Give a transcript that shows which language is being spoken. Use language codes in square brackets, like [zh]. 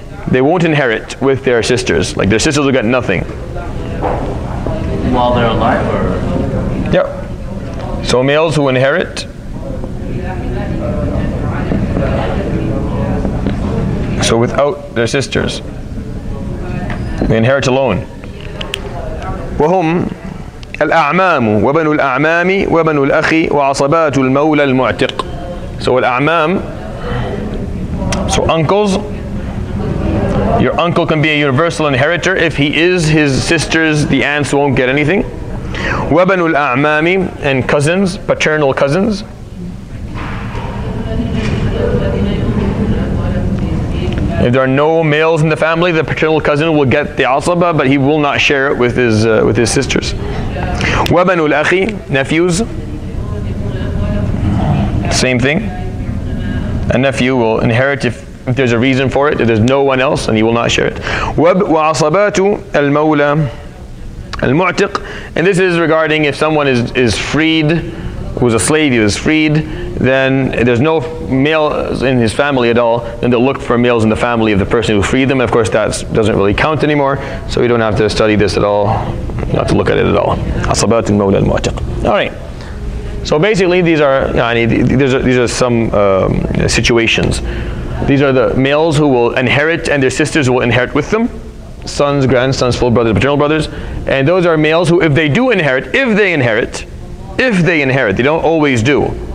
[en] They won't inherit with their sisters. Like, their sisters will get nothing. While they're alive, or...? Yep. So males who inherit... So without their sisters. They inherit alone. [ar] وَهُمْ الأعمام وبنو الأعمام وبنو الأخي وعصبات المولى المعتق. [en] So الأعمام, so uncles, Your uncle can be a universal inheritor. If he is his sister's, the aunts won't get anything. [ar] وَبَنُ الْأَعْمَامِ [en] and cousins, paternal cousins. If there are no males in the family, the paternal cousin will get the asaba, but he will not share it with his sisters. [ar] وَبَنُ الْأَخِي nephews. [en] Same thing. A nephew will inherit if there's a reason for it, if there's no one else, and he will not share it. [ar] وَعَصَبَاتُ الْمَوْلَى الْمُعْتِقِ [en] And this is regarding if someone is freed, who's a slave, he was freed, then there's no males in his family at all, then they'll look for males in the family of the person who freed them. Of course, that doesn't really count anymore, so we don't have to study this at all, not to look at it at all. [ar] عَصَبَاتُ الْمَوْلَى الْمُعْتِقِ [en] All right. So basically, these are some situations. These are the males who will inherit and their sisters will inherit with them. Sons, grandsons, full brothers, paternal brothers. And those are males who, if they do inherit, if they inherit, they don't always do.